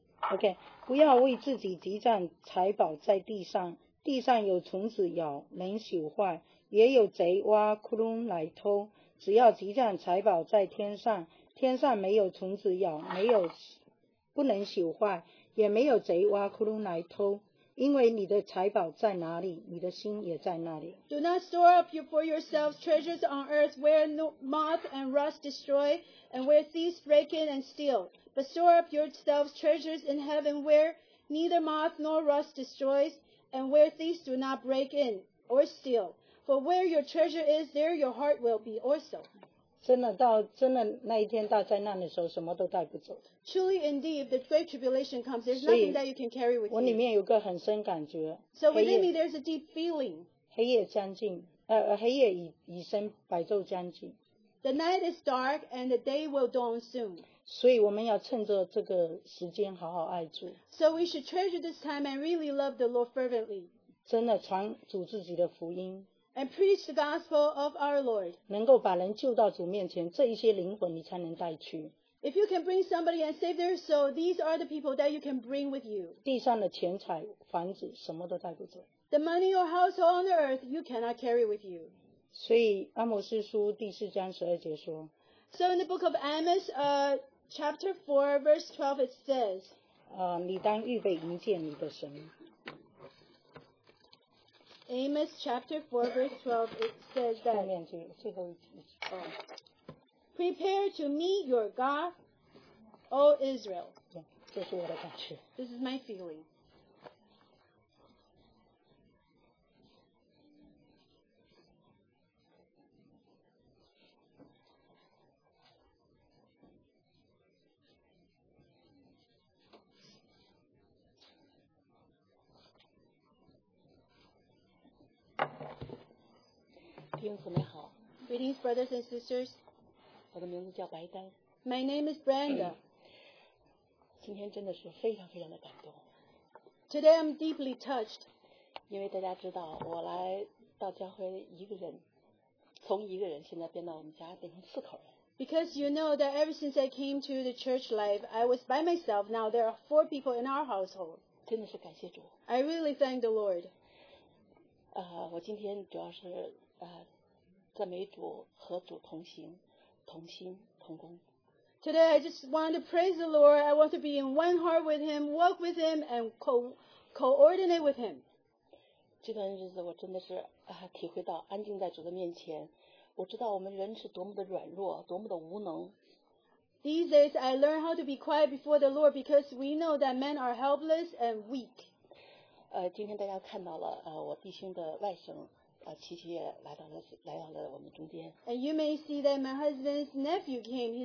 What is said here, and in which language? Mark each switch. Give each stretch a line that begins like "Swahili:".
Chinese: OK, 不要为自己积攒财宝在地上，地上有虫子咬，能朽坏，也有贼挖窟窿来偷。只要积攒财宝在天上，天上没有虫子咬，没有不能朽坏，也没有贼挖窟窿来偷。因为你的财宝在哪里，你的心也在那里。
English: Do not store up for yourselves treasures on earth, where moth and rust destroy, and where thieves break in and steal. But store up yourselves treasures in heaven, where neither moth nor rust destroys, and where thieves do not break in or steal. For where your treasure is, there your heart will be also.
Chinese: 真的那一天大灾难的时候，什么都带不走。
English: Truly, indeed, if the great tribulation comes, there's nothing that you can carry with you.
Chinese: 我里面有个很深感觉。
English: So within me, there's a deep feeling.
Chinese: 黑夜将近，黑夜已深，白昼将近。
English: The night is dark, and the day will dawn soon.
Chinese: 所以我们要趁着这个时间好好爱主。
English: So we should treasure this time and really love the Lord fervently.
Chinese: 真的传主自己的福音。
English: And preach the gospel of our Lord.
Chinese: 能够把人救到主面前，这一些灵魂你才能带去。
English: If you can bring somebody and save their soul, these are the people that you can bring with you.
Chinese: 地上的钱财、房子，什么都带不走。
English: The money or household on the earth, you cannot carry with you.
Chinese: 所以阿摩斯书第四章十二节说。
English: So in the book of Amos, chapter 4, verse 12, it says.
Chinese: 你当预备迎接你的神。
English: Amos chapter 4 verse 12, it says that
Chinese: 后面最后一句、
English: Prepare to meet your God, O Israel.
Chinese: 这是我的感觉。
English: This is my feeling. Greetings, brothers and sisters.
Chinese: 我的名字叫白丹。
English: My name is Brenda.
Chinese: 今天真的是非常非常的感动。
English: Today I'm deeply touched.
Chinese: 因为大家知道，我来到教会一个人，从一个人现在变到我们家变成四口人。
English: Because you know that ever since I came to the church life, I was by myself. Now there are four people in our household.
Chinese: 真的是感谢主。
English: I really thank the Lord.
Chinese: 我今天主要是赞美主和主同行，同心同工。
English: Today I just want to praise the Lord. I want to be in one heart with Him, walk with Him, and coordinate with Him.
Chinese: 这段日子我真的是、体会到安静在主的面前，我知道我们人是多么的软弱，多么的无能。
English: These days I learn how to be quiet before the Lord because we know that men are helpless and weak.
Chinese: 今天大家看到了、我弟兄的外甥。琪琪也来到了我们中间。
English: And you may see that my husband's nephew came.